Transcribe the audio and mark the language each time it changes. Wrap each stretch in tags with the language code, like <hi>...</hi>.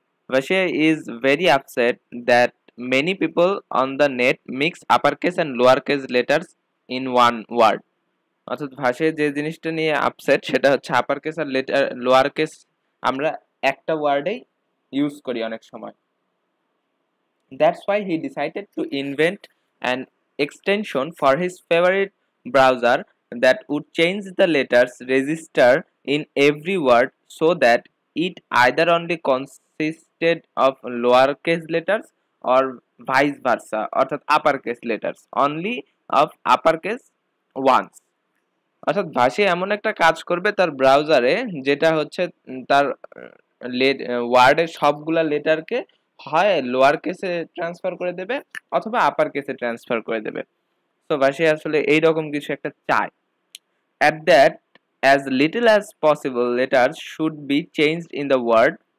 <en>Vasia is very upset that many people on the net mix upper case and lower case letters in one word.</en> <bn>অর্থাৎ ভাসিয়া যে জিনিসটা নিয়ে upset সেটা হচ্ছে upper case আর letter lower case আমরা একটা ওয়ার্ডেই use করি অনেক সময়।</bn> <en>That's why he decided to invent an extension for his favorite browser that would change the letters register in every word so that it either only consisted of lowercase letters or vice versa, or that uppercase letters, only of uppercase ones.</en> <bn>অর্থাৎ ভাষে এমন একটা কাজ করবে তার ব্রাউজারে যেটা হচ্ছে তার ওয়ার্ডের সবগুলা লেটারকে হয় লোয়ার কেসে ট্রান্সফার করে দেবে অথবা আপার কেসে ট্রান্সফার করে দেবে। তো ভাষে আসলে এইরকম কিছু একটা চায়।</bn> <en>At that as little as possible letter should be change in the word.</en>